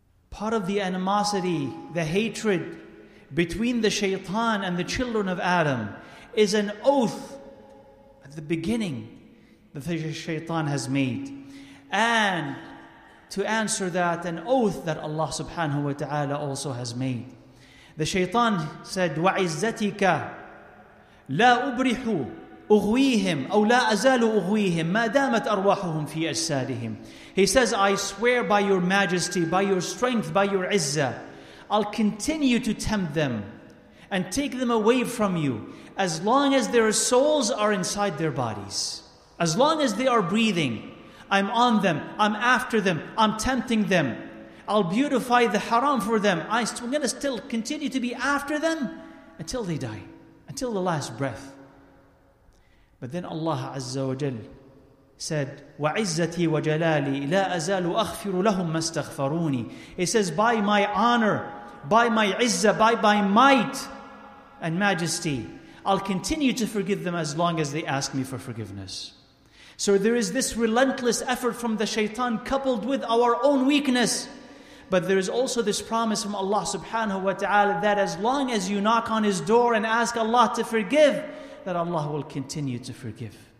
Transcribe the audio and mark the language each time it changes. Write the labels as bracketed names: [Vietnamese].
[English] Part of the animosity, the hatred between the shaitan and the children of Adam is an oath at the beginning that the shaitan has made. And to answer that, an oath that Allah subhanahu wa ta'ala also has made. The shaitan said, [Arabic] وَعِزَّتِكَ لَا أُبْرِحُ أُغْوِيهِمْ أَوْ لَا أَزَالُ أُغْوِيهِمْ مَا دَامَتْ أَرْوَاحُهُمْ فِي أَجْسَادِهِمْ. [English] He says, I swear by your majesty, by your strength, by your izzah, I'll continue to tempt them and take them away from you as long as their souls are inside their bodies. As long as they are breathing, I'm on them, I'm after them, I'm tempting them. I'll beautify the haram for them. I'm going to still continue to be after them until they die, until the last breath. But then Allah Azza wa Jal [Arabic] said, وَعِزَّتِي وَجَلَالِي لَا أَزَالُ أَخْفِرُ لَهُمْ مَا اسْتَغْفَرُونِي. [English] He says, by my honor, by my izzah, by my might and majesty, I'll continue to forgive them as long as they ask me for forgiveness. So there is this relentless effort from the shaitan coupled with our own weakness. But there is also this promise from Allah subhanahu wa ta'ala that as long as you knock on his door and ask Allah to forgive, that Allah will continue to forgive.